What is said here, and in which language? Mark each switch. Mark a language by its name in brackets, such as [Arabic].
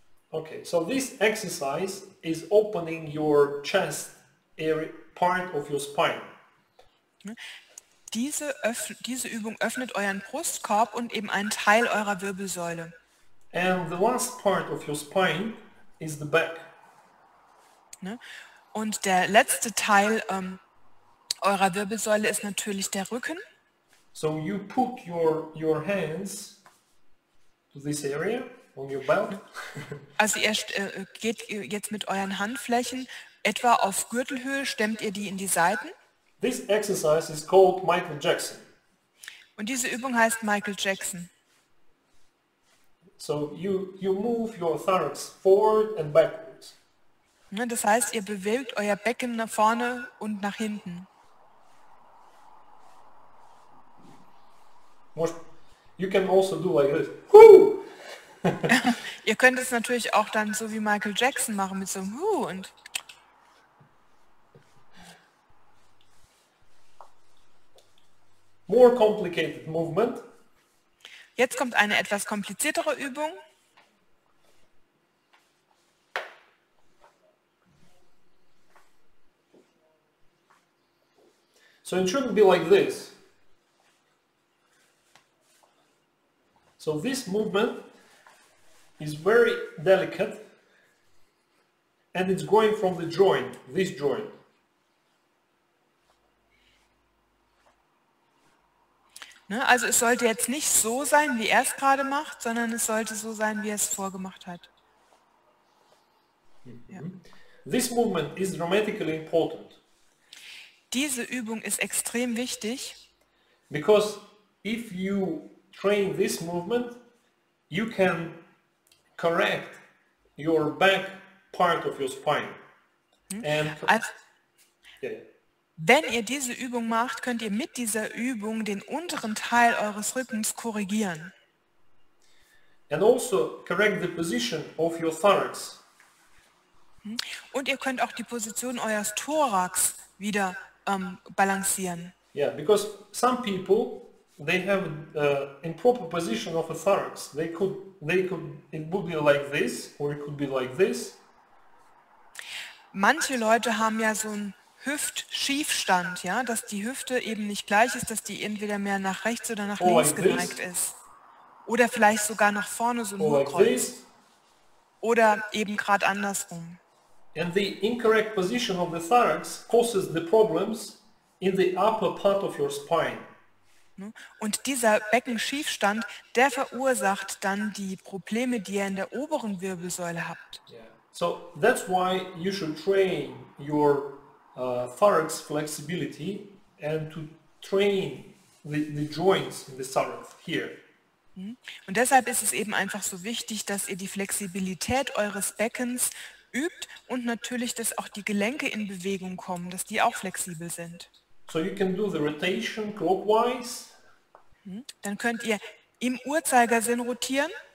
[English] Okay, so this exercise is opening your chest area, part of your spine. [German] Diese Übung öffnet euren Brustkorb und eben einen Teil eurer Wirbelsäule. [English] And the last part of your spine is the back. [German] Und der letzte Teil eurer Wirbelsäule ist natürlich der Rücken. [English] So you put your hands to this area. On your belt. [German] Also ihr geht jetzt mit euren Handflächen etwa auf Gürtelhöhe, stemmt ihr die in die Seiten. [English] This exercise is called Michael Jackson. [German] Und diese Übung heißt Michael Jackson. [English] So you move your thorax forward and backwards. [German] Das heißt, ihr bewegt euer Becken nach vorne und nach hinten. [English] You can also do like this. [German] Ihr könnt es natürlich auch dann so wie Michael Jackson machen mit so einem Hu und. [English] More complicated movement. [German] Jetzt kommt eine etwas kompliziertere Übung. [English] So it shouldn't be like this. So this movement is very delicate and it's going from the joint, this joint. [German] Also es sollte jetzt nicht so sein, wie er es gerade macht, sondern es sollte so sein, wie er es vorgemacht hat. [English] Mm-hmm. Ja. This movement is dramatically important. [German] Diese Übung ist extrem wichtig. [English] Because if you train this movement, you can correct your back part of your spine. And also, [German] Wenn ihr diese Übung macht, könnt ihr mit dieser Übung den unteren Teil eures Rückens korrigieren. [English] And also correct the position of your thorax. [German] Und ihr könnt auch die Position eures Thorax wieder balancieren. [English] Yeah, because some people they have improper position of a thorax. They could it would be like this or it could be like this. [German] Manche Leute haben ja so einen Hüftschiefstand, ja, dass die Hüfte eben nicht gleich ist, dass die entweder mehr nach rechts oder nach links geneigt ist. Oder vielleicht sogar nach vorne so ein Hohlkreuz. Oder eben gerade andersrum. [English] And the incorrect position of the thorax causes the problems in the upper part of your spine. [German] Und dieser Beckenschiefstand, der verursacht dann die Probleme, die ihr in der oberen Wirbelsäule habt. [English] Yeah. So that's why you should train your thorax flexibility and to train the joints in the thorax here. [German] Und deshalb ist es eben einfach so wichtig, dass ihr die Flexibilität eures Beckens übt und natürlich, dass auch die Gelenke in Bewegung kommen, dass die auch flexibel sind. [English] So you can do the rotation clockwise. [German] Dann könnt ihr im Uhrzeigersinn rotieren.